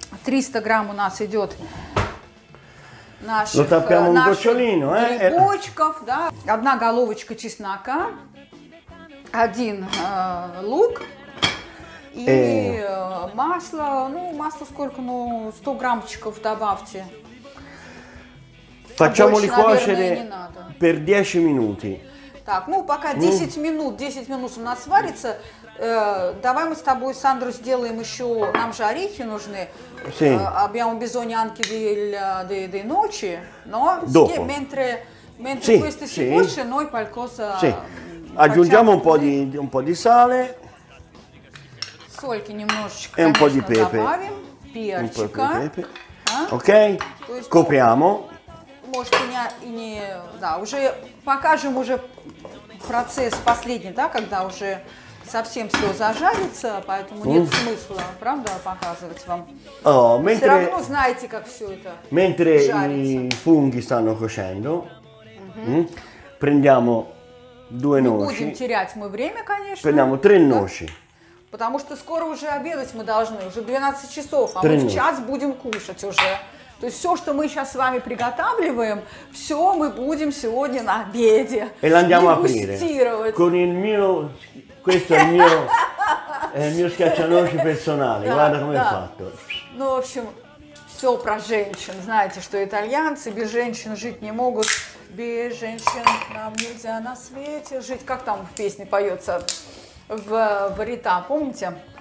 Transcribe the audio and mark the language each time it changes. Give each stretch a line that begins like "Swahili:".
Russian: 300 грамм у нас идет наших грибочков. Да? Одна головочка чеснока, один лук. И масло, ну масло сколько, ну 100 граммчиков добавьте.
Italian: Facciamoli cuocere per 10 minuti.
Russian: Так, ну пока 10 минут у нас варится, давай мы с тобой, Сандро, сделаем еще, нам же орехи нужны.
Italian: Sì. Abbiamo bisogno anche dei noci, no? Dopo. Sì, mentre sì, queste si cuoce, noi qualcosa... Sì, aggiungiamo un po' di sale.
Russian: Сольки немножечко, конечно,
Italian: un po' di pepe.
Russian: Добавим. Перчика.
Italian: Un po' di pepe. Ok, copriamo.
Russian: Может, не, да, уже покажем уже процесс последний, да, когда уже совсем все зажарится, поэтому нет смысла, правда, показывать вам.
Italian: Mentre,
Russian: все равно знаете, как все это
Italian: mentre
Russian: жарится.
Italian: I funghi stanno cuocendo, prendiamo due noci.
Russian: Не будем терять мы время, конечно.
Italian: Prendiamo tre noci.
Russian: Потому что скоро уже обедать мы должны, уже 12 часов, а мы в час будем кушать уже. То есть все, что мы сейчас с вами приготавливаем, все мы будем сегодня на обеде.
Italian: E l'andiamo aprire. Con il mio questo è il mio schiaccianoci personale. Guarda come è fatto.
Russian: Ну, в общем, все про женщин. Знаете, что итальянцы без женщин жить не могут. без женщин нам нельзя на свете жить. Как там в песне поется в Рита, помните?